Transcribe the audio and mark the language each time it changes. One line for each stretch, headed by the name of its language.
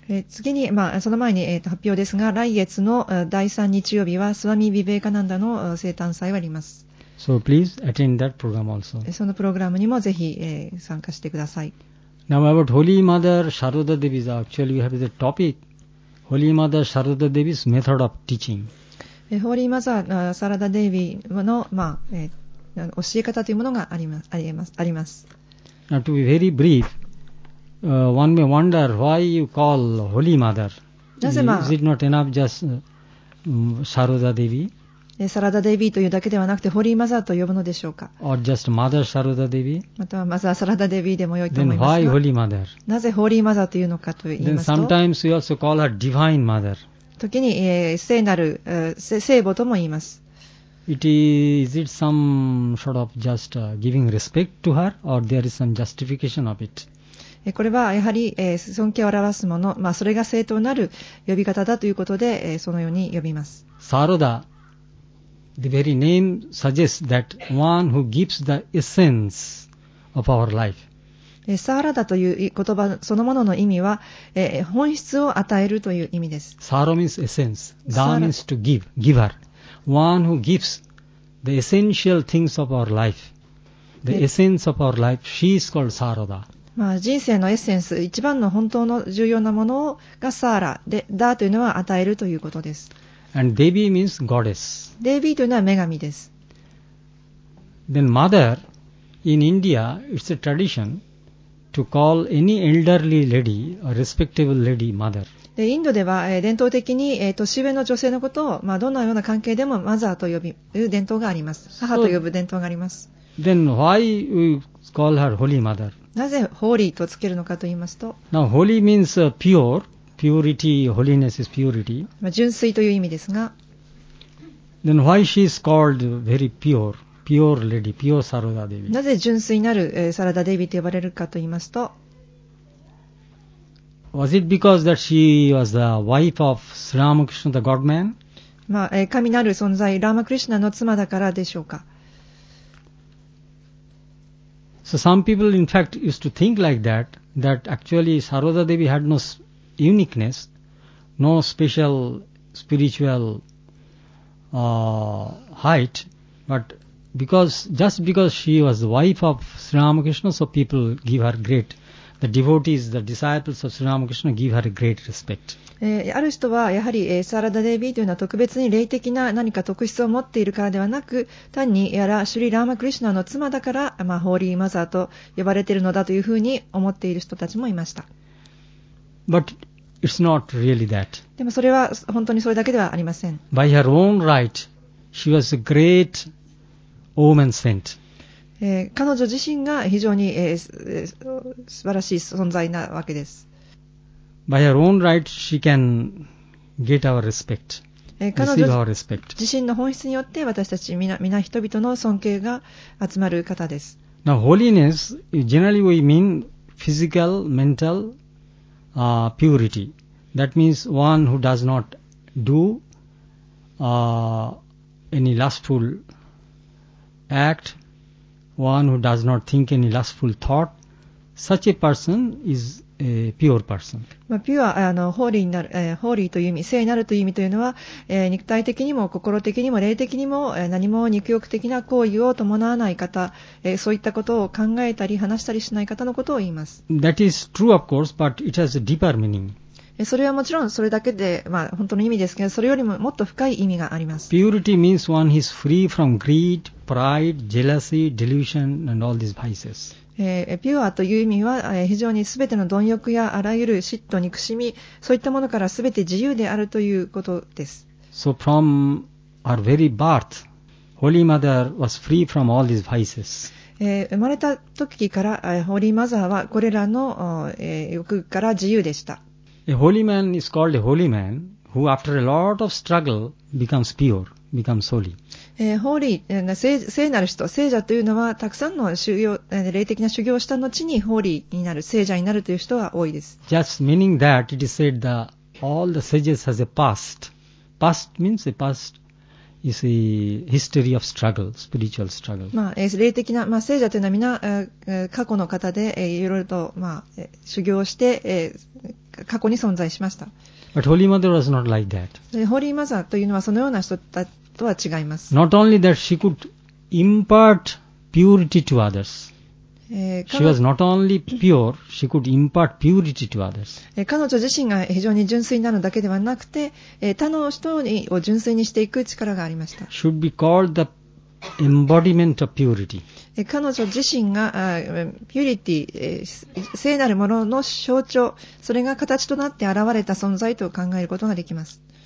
Japanese: 次に、まあ、その前に、発表ですが、来月の第3日曜日は、スワミ・ビベカナンダの生誕祭があります。
English: So please attend that program also.
Japanese: そのプログラムにもぜひ、参加してください。
English: Now about Holy Mother Sharada Devi, actually we have the topic, Holy Mother Sharada Devi's method of teaching.
Japanese: ホーリーマザーサラダデイビーの、まあ教え方というものがあります。
English: Now to be very brief, one may wonder why you call Holy Mother.
Japanese: なぜ、まあ、
English: Is it not enough just サラダデイビー？
Japanese: サラダデイビーというだけではなくて、ホーリーマザーと呼ぶのでしょうか
English: ？Or just Mother サラダデイビー？
Japanese: またはマザーサラダデイビーでもよいと思いますが。
English: Then why Holy Mother?
Japanese: なぜホーリーマザーというのかと言いますと。
English: Then sometimes we also call her Divine Mother.
Japanese: 時に、聖なる、聖母とも言います。
English: Is it some sort of just giving respect to her, or there is some justification of it?
Japanese: これはやはり、尊敬を表すもの、まあ、それが正当なる呼び方だということで、そのように呼びます。
English: Sarada, the very name suggests that one who gives the essence of our life.
Japanese: サラダという言葉そのものの意味は、本質を与えるという意味です。
English: サラ means essence. Da means to give, giver. One who gives the essential things of our life, the essence of our life, she is called サラダ。
Japanese: まあ、人生のエッセンス、一番の本当の重要なものがサラで、ダというのは与えるということです。
English: And Devi means goddess.
Japanese: Devi というのは女神です。
English: Then mother, in India, it's a tradition. To call any elderly lady, a respectable lady, mother.
Japanese: で、インドでは、伝統的に、年上の女性のことを、まあ、どのような関係でもマザーと呼ぶ伝統があります。母と呼ぶ伝統があります。
English: Then why we call her holy mother?
Japanese: なぜホーリーとつけるのかと言いますと、
English: Now holy means pure, purity, holiness is purity.
Japanese: 純粋という意味ですが、
English: Then why she is called very pure? Pure lady, pure Sarada Devi.
Japanese: なぜ純粋なる、サラダデビーと呼ばれるかと言いますと、
English: Was it because that she was the wife of Sri Ramakrishna, the Godman?
Japanese: まあ、神なる存在、ラーマクリシュナの妻だからでしょうか。
English: So some people in fact used to think like that, that actually Sarada Devi had no uniqueness, no special spiritual height, but because she was the wife of Sri Ramakrishna, so people give her great, the devotees, the disciples of Sri Ramakrishna give her a great respect.
Japanese: ある人はやはり、サラダデビーというのは特別に霊的な何か特質を持っているからではなく、単にやらシュリラーマクリシュナの妻だから、まあ、ホーリーマザーと呼ばれているのだというふうに思っている人たちもいました。
English: But it's not really that.
Japanese: でもそれは本当にそれだけではありません。
English: By her own right, she was a great woman saint.
Japanese: 彼女自身が非常に、素晴らしい存在なわけです。
English: By her own right, she can get our respect, receive our respect.
Japanese: 自身の本質によって私たち皆人々の尊敬が集まる方です。
English: Now, holiness, generally we mean physical, mental, purity. That means one who does not do, any lustful act, one who does not think any lustful thought. Such a person is pure person.
Japanese: まあ、ピュア、ホーリーになる、ホーリーという意味、聖なるという意味というのは、肉体的にも心的にも霊的にも、何も肉欲的な行為を伴わない方、そういったことを考えたり話したりしない方のことを言います。
English: That is true, of course, but it has a deeper meaning.
Japanese: それはもちろんそれだけで、まあ、本当の意味ですけど、それよりももっと深い意味があります。
English: Purity means one is free from greed, pride, jealousy, delusion, and all these vices.
Japanese: ピュアという意味は、非常にすべての貪欲やあらゆる嫉妬、憎しみ、そういったものからすべて自由であるということです。
English: So from our very birth, Holy Mother was free from all these vices.
Japanese: 生まれた時から、Holy Mother はこれらの、欲から自由でした。
English: A holy man is called a holy man who, after a lot of struggle, becomes pure, becomes holy.
Japanese: ホーリー、聖なる人、聖者というのはたくさんの修行、霊的な修行をした後にホーリーになる、聖者になるという人が多いです。
English: Just meaning that it is said that all the sages has a past. Past means a past is a history of struggle, spiritual struggle.
Japanese: まあ、霊的な、まあ、聖者というのはみんな、過去の方で、いろいろと、まあ、修行をして、過去に存在しました。
English: But Holy Mother was not like that.
Japanese: ホーリーマザーというのはそのような人たちとは違います。
English: Not only that, she could impart purity to others. She was not only pure, she could impart purity to others.
Japanese: 彼女自身が非常に純粋なのだけではなくて、他の人を純粋にしていく力がありました。
English: Should be called the embodiment of purity.
Japanese: 彼女自身が、purity、聖なるものの象徴、それが形となって現れた存在と考えることができます。